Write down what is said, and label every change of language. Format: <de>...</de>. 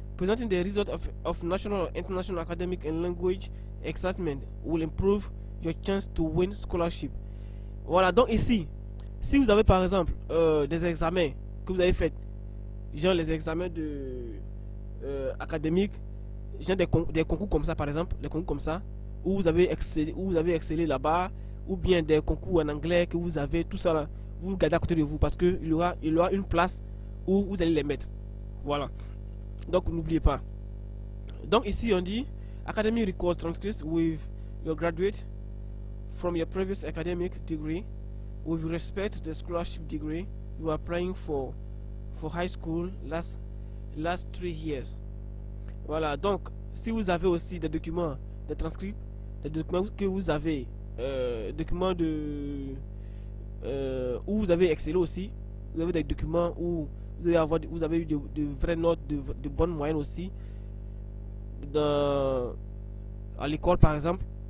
<en>Presenting the result of national or international academic and language assessment will improve your chance to win scholarship.</en> <fr>Voilà, donc ici, si vous avez par exemple des examens que vous avez fait, genre les examens de académiques, genre des concours comme ça par exemple, les concours comme ça, où vous avez excellé là-bas, ou bien des concours en anglais que vous avez, tout ça là, vous gardez à côté de vous parce que il y aura une place où vous allez les mettre. Voilà, donc n'oubliez pas. Donc ici on dit</fr> <en>academic records transcripts with your graduate from your previous academic degree with respect to the scholarship degree you are applying for high school last 3 years.</en> <fr>Voilà, donc si vous avez aussi des documents, des transcripts, des documents que vous avez documents de où vous avez excellé aussi, vous avez des documents où vous avez eu de vraies notes, de bonnes moyennes aussi à l'école par exemple.</fr>